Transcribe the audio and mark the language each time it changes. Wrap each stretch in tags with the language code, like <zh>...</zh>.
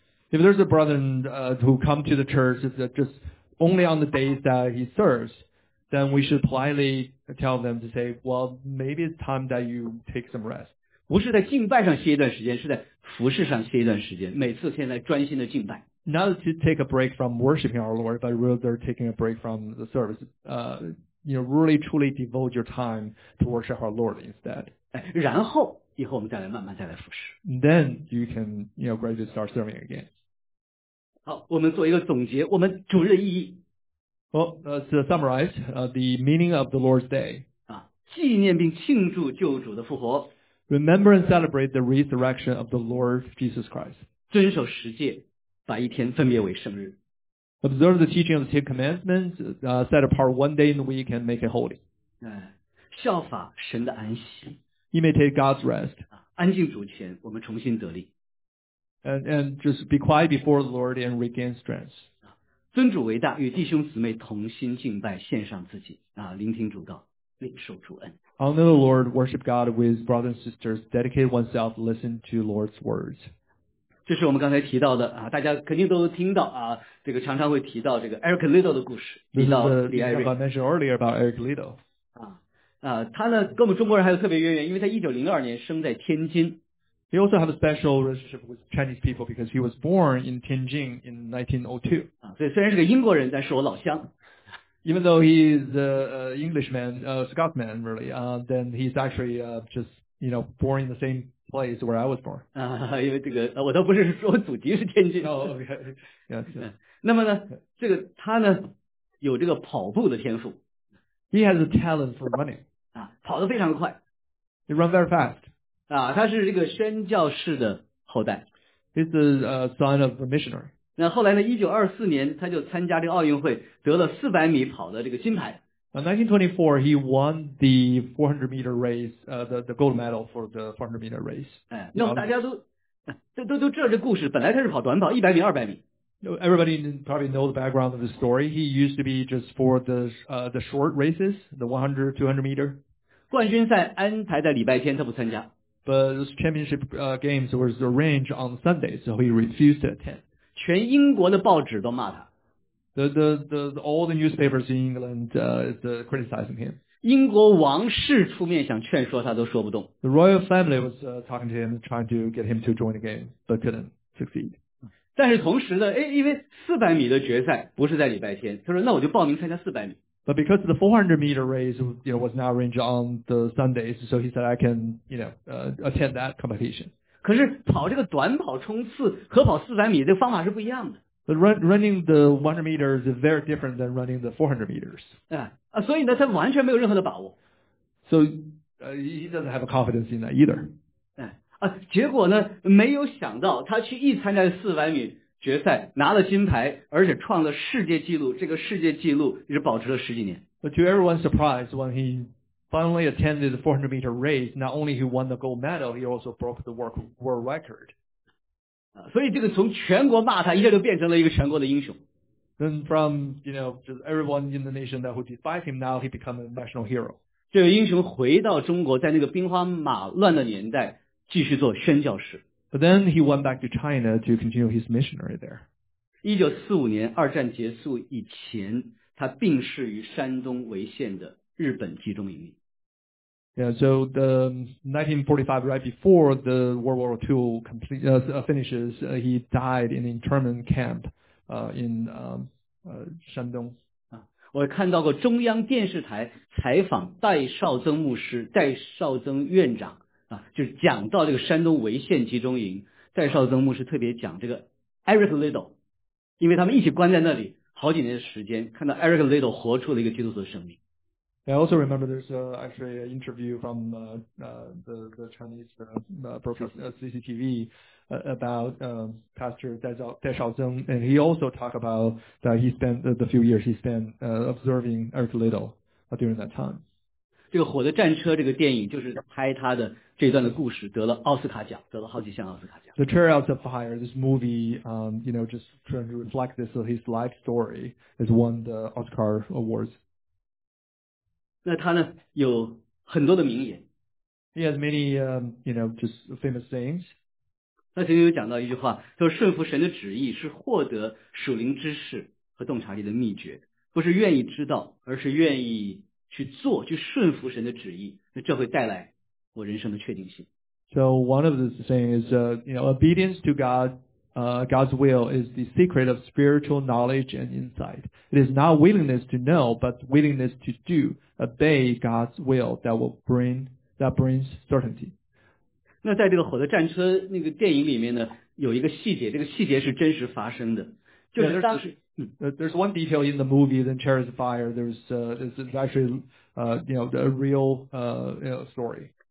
<en>If there's a brother who come to the church just only on the days that he serves. Then we should politely tell them to say, well, maybe it's time that you take some rest.</en> <zh>不是在敬拜上歇一段时间，是在服侍上歇一段时间，每次现在专心的敬拜。</zh> <en>Not to take a break from worshiping our Lord, but rather taking a break from the service. Really truly devote your time to worship our Lord instead.</en> <zh>然后以后我们再来慢慢再来服侍。</zh> <en>Then you can, gradually start serving again.</en> <zh>好，我们做一个总结，我们主日意义。</zh> <en>Well, to summarize, the meaning of the Lord's Day.</en> <zh>纪念并庆祝救主的复活。</zh> <en>Remember and celebrate the resurrection of the Lord Jesus Christ.</en> <zh>遵守十诫，把一天分别为圣日。</zh> <en>Observe the teaching of the Ten Commandments, set apart one day in the week and make it holy.</en> <zh>效法神的安息。</zh> <en>Imitate God's rest.</en> <zh>安静主前，我们重新得力。</zh> <en>And just be quiet before the Lord and regain strength.</en> <zh>尊主为大，与弟兄姊妹同心敬拜，献上自己啊，聆听主告，领受主恩。</zh> <en>Honor the Lord, worship God with brothers and sisters, dedicate oneself, listen to Lord's words.</en> <zh>这是我们刚才提到的啊，大家肯定都听到啊，这个常常会提到这个 Eric Liddle 的故事，提到李艾瑞。</zh> <en>I mentioned earlier about Eric Liddle.</en> <zh>他呢跟我们中国人还有特别渊源，因为他1902年生在天津。</zh> <en>He also have a special relationship with Chinese people because he was born in Tianjin in 1902.</en> <zh>所以虽然是个英国人，但是我老乡。</zh> <en>Even though he is an Englishman, a Scotsman really, then he's actually just, born in the same place where I was born.</en> <zh>因为这个我倒不是说祖籍是天津。</zh> <en>Oh, okay. Yes.</en> <zh>那么呢这个他呢有这个跑步的天赋。</zh> <en>He has a talent for running.</en> <zh>跑得非常快。</zh> <en>He runs very fast.</en> <zh>他是这个宣教士的后代。</zh> <en>He's the son of a missionary.</en> <zh>那后来呢 ,1924 年他就参加这个奥运会得了400米跑的这个金牌。</zh> <en>1924, he won the 400 meter race, the gold medal for the 400 meter race.</en> <zh>那大家都知道这故事，本来他是跑短跑 ,100 米 ,200 米。</zh> <en>Everybody probably know the background of the story. He used to be just for the short races, the 100, 200 meter.</en> <zh>冠军赛安排在礼拜天他不参加。</zh> <en>But this championship games was arranged on Sunday, so he refused to attend.</en> <zh>全英国的报纸都骂他。</zh> <en>All the newspapers in England is criticizing him.</en> <zh>英国王室出面想劝说他都说不动。</zh> <en>The royal family was talking to him, trying to get him to join the game, but couldn't succeed.</en> <zh>但是同时呢，因为400米的决赛不是在礼拜天，他说那我就报名参加400米。</zh> <en>But because the 400 meter race, was now arranged on the Sundays, so he said, I can, attend that competition.</en> <zh>可是跑这个短跑冲刺和跑400米的方法是不一样的。</zh> <en>But running the 100 meters is very different than running the 400 meters.</en> <zh>所以呢他完全没有任何的把握。</zh> <en>So, he doesn't have a confidence in that either.</en> <zh>结果呢没有想到他去一参加400米决赛拿了金牌，而且创了世界纪录，这个世界纪录一直保持了十几年。</zh> <en>But to everyone's surprise, when he finally attended the 400 meter race, not only he won the gold medal, he also broke the world record.</en> <zh>所以这个从全国骂他，一下就变成了一个全国的英雄。</zh> <en>Then from, you know, just everyone in the nation that would defy him, now he became a national hero.</en> <zh>这个英雄回到中国，在那个兵荒马乱的年代，继续做宣教士。</zh> <en>But then he went back to China to continue his missionary there.</en> <zh>1945年二战结束以前，他病逝于山东潍县的日本集中营里。</zh> <en>Yeah, so the 1945, right before the World War II finishes, he died in an internment camp in 山东。</en> <zh>我看到过中央电视台采访戴绍曾牧师、戴绍曾院长。就是讲到这个山东潍县集中营，戴绍曾牧师特别讲这个 Eric Liddell， 因为他们一起关在那里好几年的时间，看到 Eric Liddell 活出了一个基督徒的生命。</zh> <en>I also remember there's actually an interview from the Chinese CCTV about Pastor 戴绍曾 and he also talked about that he spent the few years he spent observing Eric Liddell during that time。</en> <zh>这个《火的战车》这个电影就是拍他的这段的故事，得了奥斯卡奖，得了好几项奥斯卡奖。</zh> <en>The Chariots of Fire, this movie, you know, just trying to reflect this of his life story, has won the Oscar awards.</en> <zh>那他呢有很多的名言。</zh> <en>He has many, you know, just famous sayings.</en> <zh>他曾经有讲到一句话，说顺服神的旨意是获得属灵知识和洞察力的秘诀，不是愿意知道，而是愿意。去做，去顺服神的旨意，那这会带来我人生的确定性。</zh> <en>So one of the things is, you know, obedience to God, God's will is the secret of spiritual knowledge and insight. It is not willingness to know, but willingness to do, obey God's will that brings certainty.</en> <zh>那在这个火的战车那个电影里面呢，有一个细节，这个细节是真实发生的，就是当时。</zh> <en>Yes. There's one detail in the movie, The Chariots of Fire. It's actually, you know, a real, you know, story.</en>